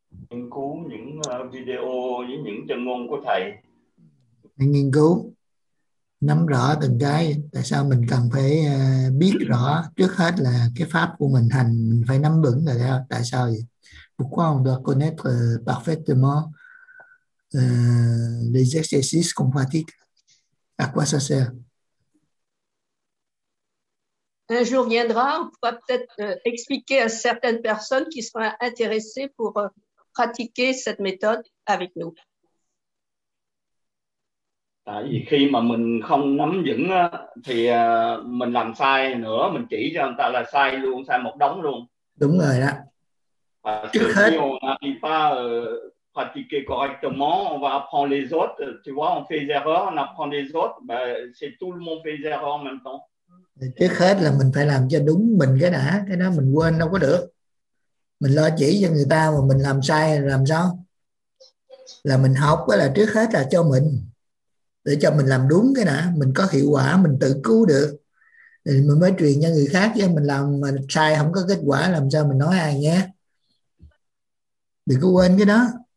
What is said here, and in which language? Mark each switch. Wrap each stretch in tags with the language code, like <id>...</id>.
<vi>Nghiên cứu những video với những chân ngôn của thầy, mình nghiên cứu nắm rõ từng cái. Tại sao mình cần phải biết rõ trước hết là cái pháp của mình hành mình phải nắm vững là sao? Tại sao vậy?</vi> <fr>Pourquoi on doit connaître parfaitement les exercices qu'on pratique? À quoi ça sert? Un jour viendra, on pourra peut-être expliquer à certaines personnes qui seront intéressées pour pratiquer cette méthode avec nous.</fr> <vi>Tại vì khi mà mình không nắm vững thì mình làm sai nữa, mình chỉ cho người ta là sai luôn, sai một đống luôn. Đúng rồi đó. Trước hết</vi> <fr>on n'arrive pas pratiquer correctement, on va apprendre les autres, tu vois, on fait des erreurs, on apprend les autres, c'est tout le monde fait des erreurs en même temps.</fr> <vi>Trước hết là mình phải làm cho đúng mình cái đã, cái đó mình quên đâu có được. Mình lo chỉ cho người ta mà mình làm sai làm sao? Là mình học với là trước hết là cho mình, để cho mình làm đúng cái đã, mình có hiệu quả, mình tự cứu được thì mình mới truyền cho người khác, chứ mình làm mà sai không có kết quả làm sao mình nói ai nghe. Đừng có quên cái đó.</vi>